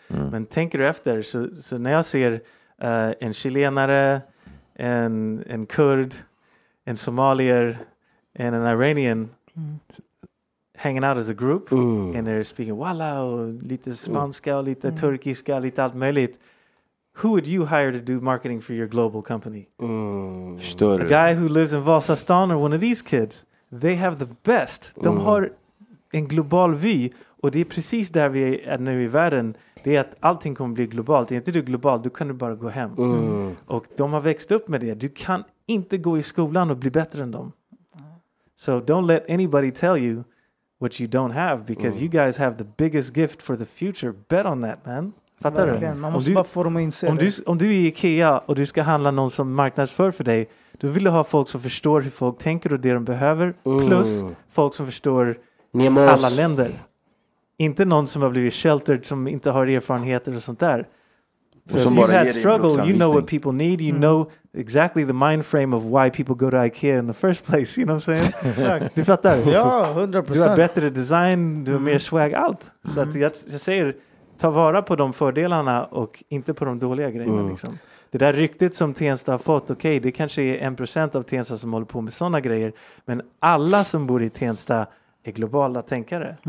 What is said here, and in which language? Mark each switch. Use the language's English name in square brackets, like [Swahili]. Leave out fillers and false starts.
[Swedish] Men tänker du efter, så när jag ser en chilenare, en kurd, en somalier, [English] and an Iranian hanging out as a group. And they're speaking walla [Swedish] och lite spanska och lite turkiska, lite allt möjligt. [English] Who would you hire to do marketing for your global company? [Swedish] Större. [English] A guy who lives in Vasastan or one of these kids. They have the best. [Swedish] De har en global vy. Och det är precis där vi är nu i världen. Det är att allting kommer bli globalt. Är inte du global, du kan du bara gå hem. Och de har växt upp med det. Du kan inte gå i skolan och bli bättre än dem. [English] So don't let anybody tell you what you don't have, because you guys have the biggest gift for the future. Bet on that, man. [Swedish] Fattar du? Man måste bara få dem att inse det. Om du är i IKEA och du ska handla någon som marknadsför för dig, då vill du ha folk som förstår hur folk tänker och det de behöver, plus folk som förstår alla länder. Inte någon som har blivit sheltered, som inte har erfarenheter och sånt där. [English] So if you've had struggle, you know what people need. You know exactly the mind frame of why people go to IKEA in the first place. You know what I'm saying? [Swedish] Du fattar? Ja, 100%. Du har bättre design, du har mer swag, allt. Så att jag säger, ta vara på de fördelarna och inte på de dåliga grejerna. Liksom. Det där ryktet som Tensta har fått, okej, det kanske är 1% av Tensta som håller på med sådana grejer. Men alla som bor i Tensta är globala tänkare.